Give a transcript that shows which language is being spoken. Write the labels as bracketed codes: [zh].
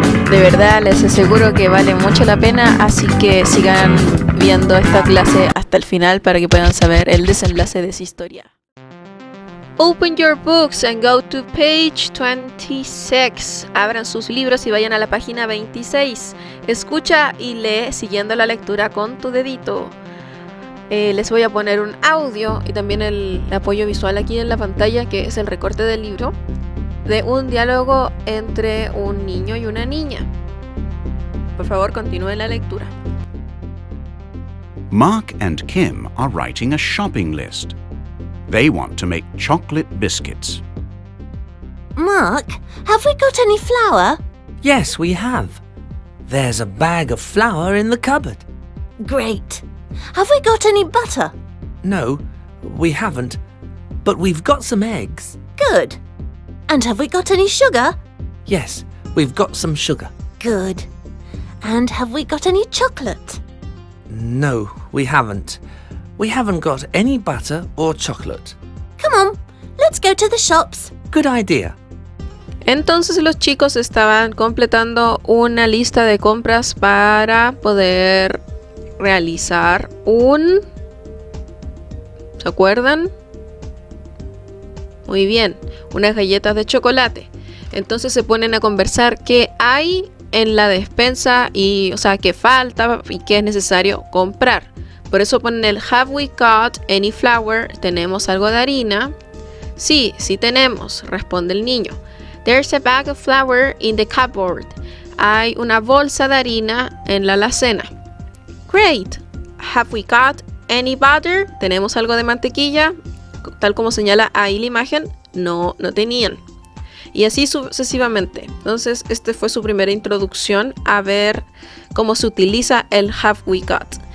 [es] De verdad, les aseguro que vale mucho la pena, así que sigan viendo esta clase hasta el final para que puedan saber el desenlace de esa historia. [en] Open your books and go to page 26. [es] Abran sus libros y vayan a la página 26. Escucha y lee siguiendo la lectura con tu dedito. Les voy a poner un audio y también el apoyo visual aquí en la pantalla, que es el recorte del libro, de un diálogo entre un niño y una niña. Por favor, continúe la lectura. [en] Mark and Kim are writing a shopping list. They want to make chocolate biscuits. Mark, have we got any flour? Yes, we have. There's a bag of flour in the cupboard. Great. Have we got any butter? No, we haven't. But we've got some eggs. Good. And have we got any sugar? Yes, we've got some sugar. Good. And have we got any chocolate? No, we haven't. We haven't got any butter or chocolate. Come on, let's go to the shops. Good idea. [es] Entonces los chicos estaban completando una lista de compras para poder realizar un... ¿Se acuerdan? Muy bien, unas galletas de chocolate. Entonces se ponen a conversar qué hay en la despensa y, o sea, qué falta y qué es necesario comprar. Por eso ponen el [en] have we got any flour, [es] tenemos algo de harina. Sí, sí tenemos, responde el niño. [en] There's a bag of flour in the cupboard. [es] Hay una bolsa de harina en la alacena. [en] Great. Have we got any butter? [es] Tenemos algo de mantequilla. Tal como señala ahí la imagen, no, no tenían. Y así sucesivamente. Entonces, esta fue su primera introducción a ver cómo se utiliza el [en] have we got.